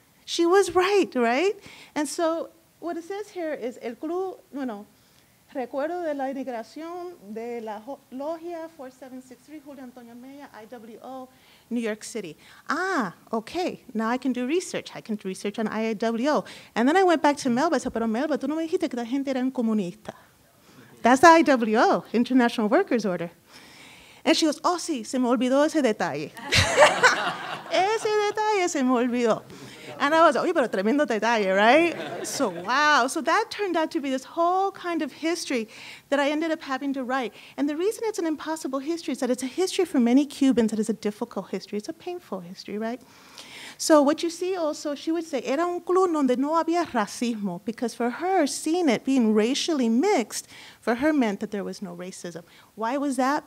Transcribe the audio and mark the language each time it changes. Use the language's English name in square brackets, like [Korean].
[English] She was right, right? And so what it says here is El Club, Recuerdo de la Inmigración de la Logia 4763 Julio Antonio Mella, IWO, New York City. Ah, okay, now I can do research. I can do research on IWO. And then I went back to Melba. I said, [Spanish] pero Melba, tú no me dijiste que la gente era comunista. [English] That's the IWO, International Workers Order. And she goes, oh, [Spanish] sí, se me olvidó ese detalle. Ese detalle se me olvidó. [English] And I was, [Spanish] oye, pero tremendo detalle, [English] right? So, wow. So that turned out to be this whole kind of history that I ended up having to write. And the reason it's an impossible history is that it's a history for many Cubans that is a difficult history. It's a painful history, right? So what you see also, she would say, [Spanish] era un club donde no había racismo, [English] because for her, seeing it being racially mixed, for her meant that there was no racism. Why was that?